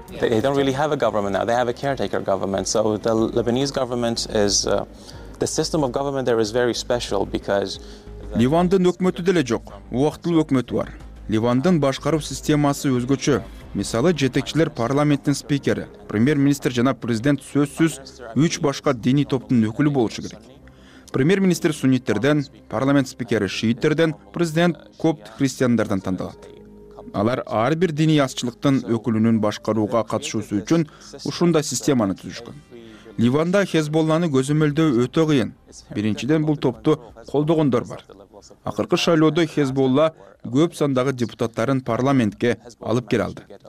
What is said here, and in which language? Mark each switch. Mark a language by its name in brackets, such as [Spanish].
[English] They don't really have a government now. They have a caretaker government. So the Lebanese government is the system of government there is very special because [Kyrgyz] Ливандын өкмөтү деле жок. Убактылуу өкмөтү бар. Ливандын башкаруу системасы өзгөчө. Мисалы, жетекчилер парламенттин спикери, премьер-министр жана президент сөзсүз үч башка диний топтун өкүлү болушу керек. Премьер-министр сунниттерден, парламент спикери шииттерден, президент копт христиандардан тандалат. Алар ар бир диний азчылыктын өкүлүнүн башкарууга катышуусу үчүн ушундай системаны түзүшкөн. Ливанда Хизбулланы көзөмөлдөө өтө кыйын. Биринчиден бул топту колдогондор бар. Акыркы шайлоодо Хизбулла көп сандагы депутаттарын парламентке алып кере алды.